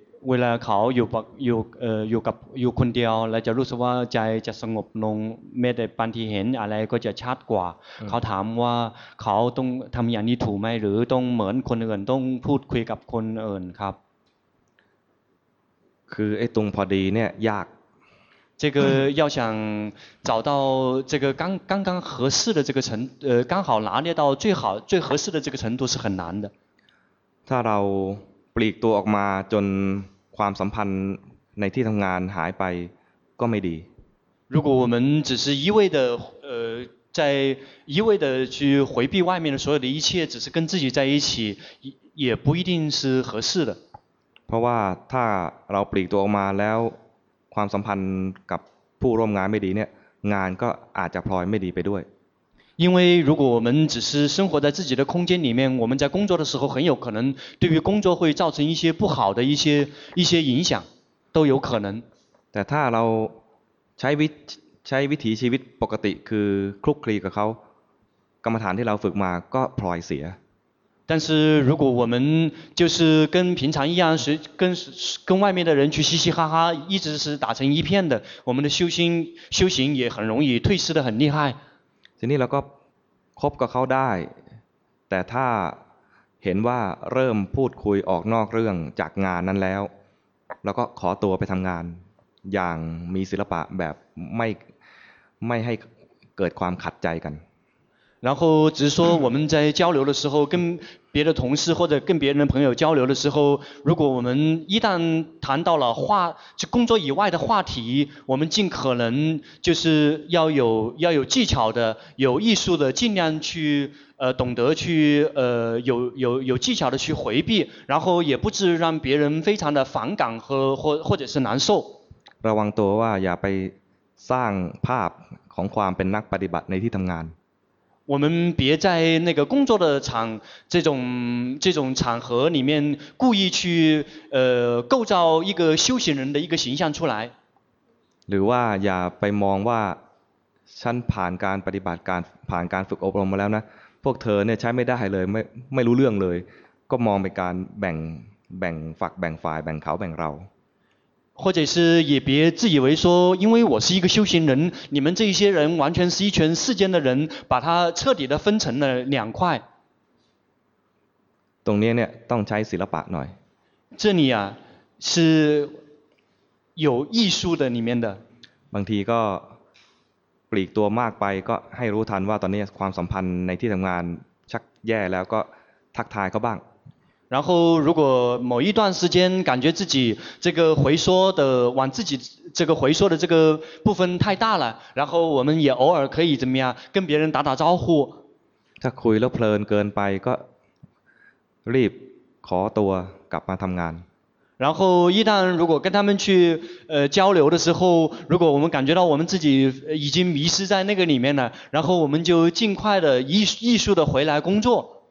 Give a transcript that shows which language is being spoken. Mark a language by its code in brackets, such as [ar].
[th] เวลาเขาอยู่อยู่อยู่กับอยู่คนเดียวแล้วจะรู้สึกว่าใจจะสงบลงไม่ได้ปันที่เห็นอะไรก็จะชัดกว่าเขาถามว่าเขาต้องทำอย่างนี้ถูกไหมหรือต้องเหมือนคนอื่นต้องพูดคุยกับคนอื่นครับ คือไอ้ตรงพอดีเนี่ยยาก [zh] 这个要想找到这个刚刚刚合适的这个程刚好拿捏到最好最合适的这个程度是很难的 [th] ถ้าเราปลีกตัวออกมาจนความสัมพันธ์ในที่ทำงานหายไปก็ไม่ดี [zh] 如果我们只是一味的在一味的去回避外面的所有的一切只是跟自己在一起也不一定是合适的 [th] เพราะว่าถ้าเราปลีกตัวออกมาแล้วความสัมพันธ์กับผู้ร่วมงานไม่ดีเนี่ยงานก็อาจจะพลอยไม่ดีไปด้วย [zh] 因为如果我们只是生活在自己的空间里面，我们在工作的时候很有可能对于工作会造成一些不好的一些影响，都有可能。 [th] แต่ถ้าเราใช้วิถีชีวิตปกติคือคลุกคลีกับเขากรรมฐานที่เราฝึกมาก็พลอยเสีย [zh] 但是如果我们就是跟平常一样，跟外面的人去嘻嘻哈哈，一直是打成一片的，我们的修行也很容易退失的很厉害。 [th] ทีนี้เราก็คบกับเขาได้แต่ถ้าเห็นว่าเริ่มพูดคุยออกนอกเรื่องจากงานนั้นแล้วเราก็ขอตัวไปทำงานอย่างมีศิลปะแบบไม่ให้เกิดความขัดใจกัน [zh] 然后只是说我们在交流的时候跟别的同事或者跟别人朋友交流的时候如果我们一旦谈到了话就工作以外的话题我们尽可能就是要有技巧的有艺术的尽量去懂得去有技巧的去回避然后也不至让别人非常的反感和或者是难受 [th] ระวังตัวว่าอย่าไปสร้างภาพของความเป็นนักปฏิบัติในที่ทำงาน [zh] 我们别在那个工作的场这种场合里面故意去构造一个修行人的一个形象出来 [th] หรือว่าอย่าไปมองว่าฉันผ่านการปฏิบัติการผ่านการฝึกอบรมมาแล้วนะพวกเธอเนี่ยใช้ไม่ได้เลยไม่รู้เรื่องเลยก็มองเป็นการแบ่งฝักแบ่งฝ่ายแบ่งเขาแบ่งเรา [zh] 或者是也别自以为说因为我是一个修行人你们这些人完全是一群世间的人把它彻底的分成了两块 [th] ตรงนี้เนี่ยต้องใช้ศิลปะหน่อย [zh] 这里啊是有艺术的里面的 [th] บางทีก็ปลีกตัวมากไปก็ให้รู้ทันว่าตอนนี้ความสัมพันธ์ในที่ทำงานชักแย่แล้วก็ทักทายเขาบ้าง [zh] 然后如果某一段时间感觉自己这个回缩的往自己这个回缩的这个部分太大了然后我们也偶尔可以怎么样跟别人打打招呼 [th] ถ้าคุยแล้วเพลินเกินไปก็รีบขอตัวกลับมาทำงาน [zh] 然后一旦如果跟他们去交流的时候如果我们感觉到我们自己已经迷失在那个里面了然后我们就尽快的艺术的回来工作